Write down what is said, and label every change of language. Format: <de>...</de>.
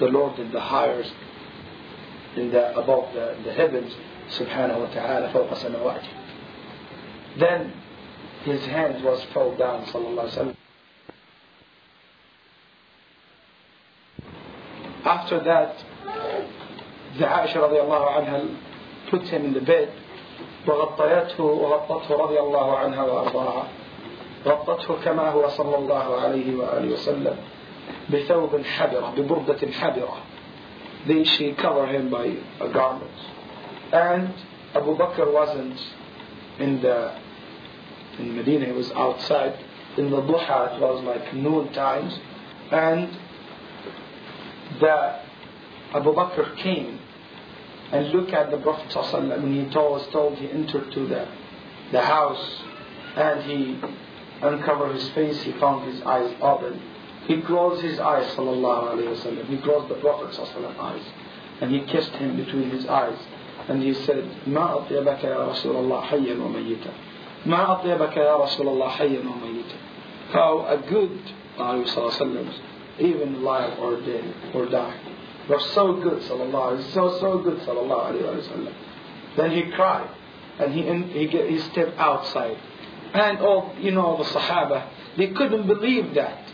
<en>The Lord in the highest, in the above the heavens, subhanahu wa ta'ala,</en> <ar>fawqa sanawati.</ar> <en>Then his hand was fell down, sallallahu alayhi wa sallam. After that, the Aisha radiallahu anha put him in the bed.</en> <ar>وغطيته وغطته رضي الله عنها وأرضاها غطته كما هو صلى الله عليه وآله وسلم بثوب حبرة ببردة حبرة.</ar> <en>Then she covered him by a garment. And Abu Bakr wasn't in Medina, he was outside. In the duha, it was like noon times. And the Abu Bakr came and looked at the Prophet ﷺ when he was told he entered to the house, and he uncovered his face, he found his eyes open. He closed his eyes, sallallahu alayhi wa sallam. He closed the Prophet ﷺ eyes. And he kissed him between his eyes. And he said,</en> <ar>مَا أَطْيَبَكَ يَا رَسُولَ اللَّهِ حَيًّا وَمَيِّتًا مَا أَطْيَبَكَ يَا رَسُولَ اللَّهِ حَيًّا وَمَيِّتًا.</ar> <en>How a good Prophet صلى الله عليه وسلم, even alive or dead or dying, was so good, sallallahu alayhi wa sallam. So good, sallallahu alayhi wa sallam. Then he cried. And he stepped outside. And all, you know, the Sahaba, they couldn't believe that.</en>